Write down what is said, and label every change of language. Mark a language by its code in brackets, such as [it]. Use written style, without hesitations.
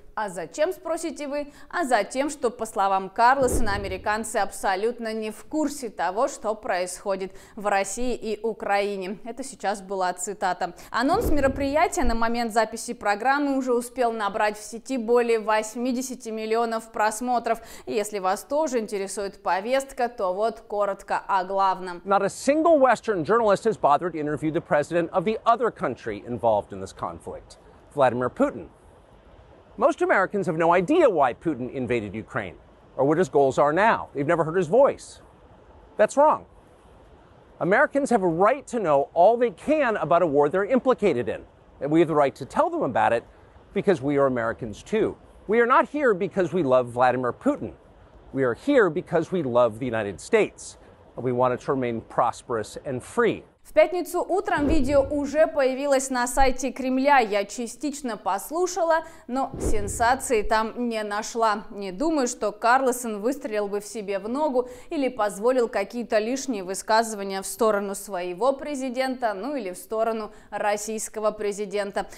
[ru] А зачем, спросите вы? А затем, что, по словам Карлсона, американцы абсолютно не в курсе того, что происходит в России и Украине. Это сейчас была цитата. Анонс мероприятия на момент записи программы уже успел набрать в сети более 80 миллионов просмотров. Если вас тоже интересует повестка, то вот коротко о главном. [en] Not a single Western journalist has bothered to interview the president of the other country involved in this conflict, Vladimir Putin. Most Americans have no idea why Putin invaded Ukraine or what his goals are now. They've never heard his voice. That's wrong. Americans have a right to know all they can about a war they're implicated in. And we have the right to tell them about it because we are Americans too. We are not here because we love Vladimir Putin. We are here because we love the United States. And we want it to remain prosperous and free. [ru] В пятницу утром видео уже появилось на сайте Кремля, я частично послушала, но сенсации там не нашла. Не думаю, что Карлсон выстрелил бы в себе в ногу или позволил какие-то лишние высказывания в сторону своего президента, или в сторону российского президента.